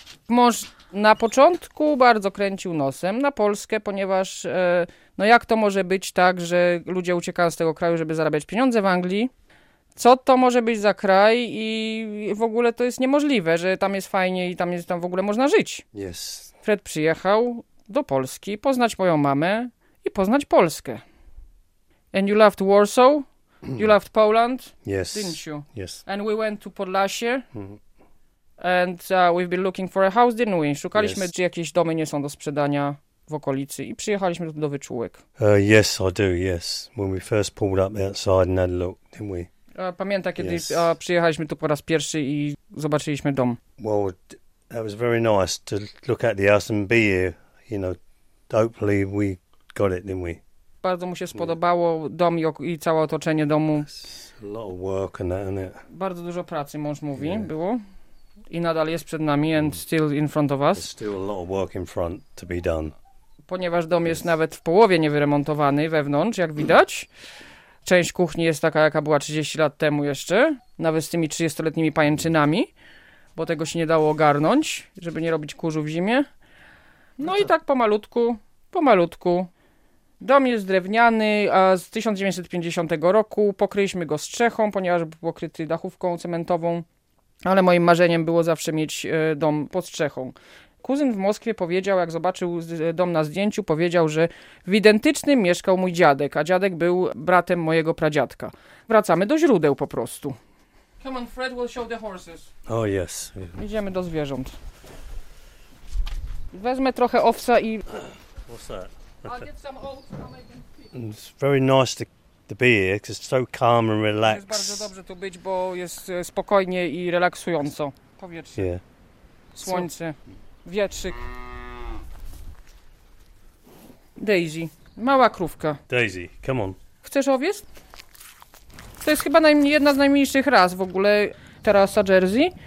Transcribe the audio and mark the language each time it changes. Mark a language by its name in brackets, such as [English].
[Polish] Mąż na początku bardzo kręcił nosem na Polskę, ponieważ no jak to może być tak, że ludzie uciekają z tego kraju, żeby zarabiać pieniądze w Anglii? Co to może być za kraj i w ogóle to jest niemożliwe, że tam jest fajnie i tam jest, tam w ogóle można żyć. [English] Yes. [Polish] Fred przyjechał do Polski poznać moją mamę i poznać Polskę. [English] And you loved Warsaw, you loved Poland, yes, didn't you? Yes. And we went to Podlasie, and we've been looking for a house, didn't we? [Polish] Szukaliśmy, yes, czy jakieś domy nie są do sprzedania w okolicy i przyjechaliśmy do wyczółek. [English] Yes, I do, yes. When we first pulled up outside and had a look, didn't we? [Polish] Pamięta, kiedy przyjechaliśmy tu po raz pierwszy i zobaczyliśmy dom. [English] Well, that was very nice to look at the house and be here, you know, hopefully we got it, didn't we? [Polish] Bardzo mu się spodobało dom i całe otoczenie domu. [English] A lot of work and that, isn't it? [Polish] Bardzo dużo pracy, mąż mówi, było. I nadal jest przed nami and still in front of us. [English] There's still a lot of work in front to be done. [Polish] Ponieważ dom jest nawet w połowie niewyremontowany wewnątrz, jak widać. Część kuchni jest taka, jaka była 30 lat temu jeszcze. Nawet z tymi 30-letnimi pajęczynami. Bo tego się nie dało ogarnąć, żeby nie robić kurzu w zimie. No to... i tak pomalutku. Dom jest drewniany, z 1950 roku. Pokryliśmy go strzechą, ponieważ był pokryty dachówką cementową. Ale moim marzeniem było zawsze mieć dom pod strzechą. Kuzyn w Moskwie powiedział, jak zobaczył dom na zdjęciu, powiedział, że w identycznym mieszkał mój dziadek, a dziadek był bratem mojego pradziadka. Wracamy do źródeł po prostu. [English] Come on, Fred, we'll show the horses. Oh, yes. [Polish] Idziemy do zwierząt. Wezmę trochę owsa i... [English] What's that? I'll get some oats from it. It's very nice to be here, because it's so calm and relaxed. [Polish] Jest bardzo dobrze tu być, bo jest spokojnie i relaksująco. Powietrze. [English] Yeah. [Polish] Słońce. Wietrzyk. Daisy. Mała krówka. [English] Daisy, come on. [Polish] Chcesz owiec? To jest chyba jedna z najmniejszych ras w ogóle. Ta rasa Jersey.